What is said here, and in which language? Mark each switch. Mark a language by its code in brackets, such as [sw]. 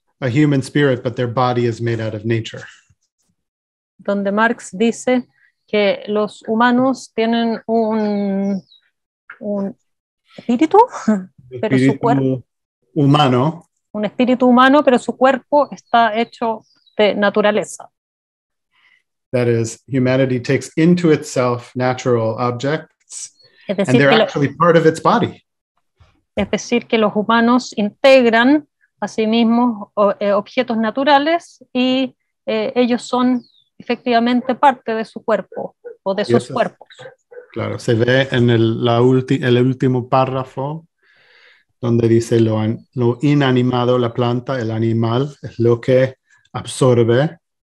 [en] a human spirit, but their body is made out of nature. [es] Donde Marx dice que los humanos tienen un espíritu, pero su cuerpo humano. Un espíritu humano, pero su cuerpo está hecho de naturaleza. [en] That is, humanity takes into itself natural objects, [es] es decir, [en] and they're actually part of its body. [es] Es decir, que los humanos integran a sí mismos objetos naturales y ellos son efectivamente parte de su cuerpo o de sus cuerpos. Claro, se ve en el último párrafo donde dice lo inanimado, la planta, el animal, es lo que absorbe.